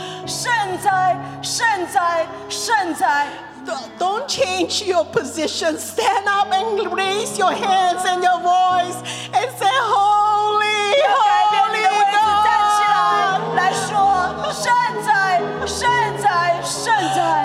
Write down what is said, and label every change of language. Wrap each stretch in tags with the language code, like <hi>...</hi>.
<zh>我们跟天上的天使一起说圣哉圣哉圣哉。</zh> <en>Don't change your position. Stand up and raise your hands and your voice and say Holy, Holy God.</en> <zh>站起来来说圣哉圣哉圣哉。</zh>